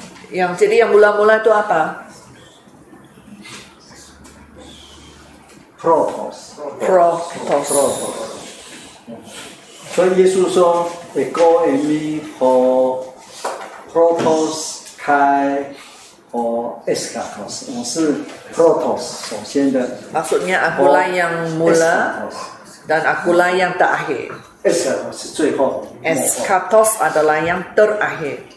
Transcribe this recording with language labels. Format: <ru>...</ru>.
<ms>Yang jadi yang mula-mula itu apa?</ms> <el>Protos. Protos.</el> <zh>所以耶稣说,</zh> <el>"Ego emi ho protos kai." Oh, eskatos.</el> <zh>我是 protos 首先的。</zh> <ms>Maksudnya aku lah yang mula dan aku lah yang terakhir.</ms> <zh>Eskatos 最后。</zh> <ms>Eskatos adalah yang terakhir.</ms>